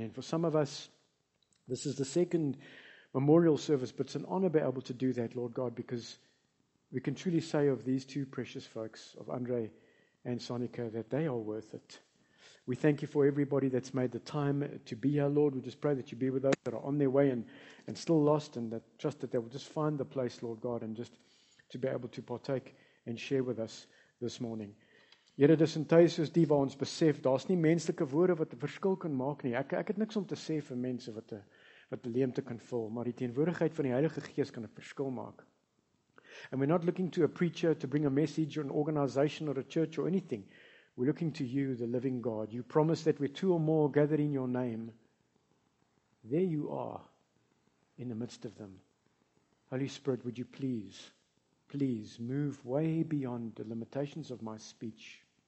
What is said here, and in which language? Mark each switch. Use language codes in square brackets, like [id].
[en] And for some of us, this is the second memorial service, but it's an honor to be able to do that, Lord God, because we can truly say of these two precious folks, of Andre and Sonika, that they are worth it. We thank You for everybody that's made the time to be here, Lord. We just pray that You be with those that are on their way and still lost, and that trust that they will just find the place, Lord God, and just to be able to partake and share with us this morning. [af] Here dis in tye soos die waar ons besef, daar's nie menslike woorde wat 'n verskil kan maak nie. Ek het niks om te sê vir mense wat 'n leemte kan vul, maar die teenwoordigheid van die Heilige Gees kan 'n verskil maak. [en] And we're not looking to a preacher to bring a message or an organization or a church or anything. We're looking to You, the living God. You promise that we're two or more gathered in Your name. There You are in the midst of them. Holy Spirit, would You please move way beyond the limitations of my speech.